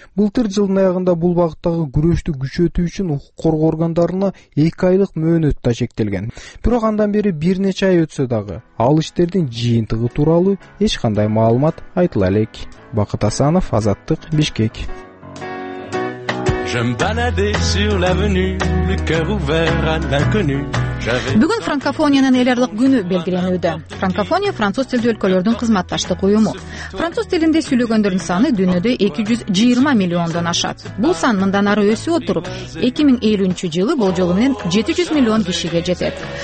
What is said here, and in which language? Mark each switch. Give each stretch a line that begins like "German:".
Kyrgyz: Былтыр жылдын аягында бул багыттагы күрөштү күчөтүү үчүн укук коргоо органдарына 2 айлык мөөнөт да чектелген. Бирок андан бери бир нече ай өтсө дагы, ал иштердин жыйынтыгы тууралуу эч кандай маалымат айтыла элек. Бакыт Асанов, Азаттык, Бишкек.
French: Je me baladais sur l'avenue, le cœur ouvert à l'inconnu.
Kyrgyz: Бүгүн франкофониянын эл аралык күнү белгиленүүдө. Франкофония француз тилдүү өлкөлөрдүн кызматташтык уюму. Француз тилинде сүйлөгөндөрдүн саны дүйнөдө 220 миллиондон ашат. Бул сан мындан ары өсүп отуруп, 2050 жылы болжолу менен 700 миллион кишиге жетет.